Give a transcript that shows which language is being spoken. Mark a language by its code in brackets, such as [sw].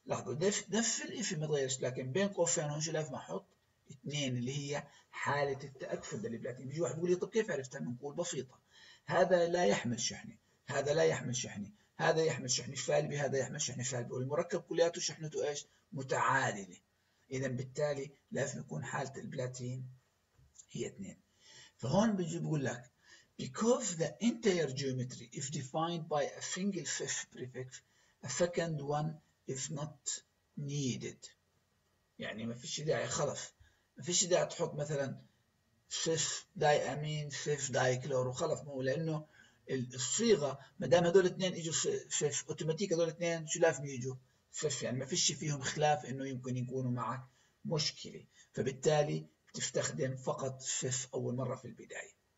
[ar] لاحظوا نفس الاسم ما تغيرش لكن بين قوسين هون شو لازم احط؟ اثنين اللي هي حاله التاكسد اللي بلاتين. بيجي واحد بيقول لي طب كيف عرفتها؟ بنقول بسيطه هذا لا يحمل شحنة، هذا لا يحمل شحنة، هذا يحمل شحنة سالبة، هذا يحمل شحنة سالبة، والمركب كلياته شحنته ايش؟ متعادلة. إذا بالتالي لازم يكون حالة البلاتين هي 2. فهون بيجي بيقول لك [en] because the entire geometry is defined by a single fifth prefix, a second one is not needed. [ar] يعني ما فيش داعي، خلص ما فيش داعي تحط مثلا fifth diamine fifth dichloro، خلص، مو لانه الصيغه ما دام هذول اثنين اجوا fifth اوتوماتيك هذول اثنين شو لازم يجوا fifth، يعني ما فيش فيهم خلاف انه يمكن يكونوا معك مشكله، فبالتالي بتستخدم فقط fifth اول مره في البدايه.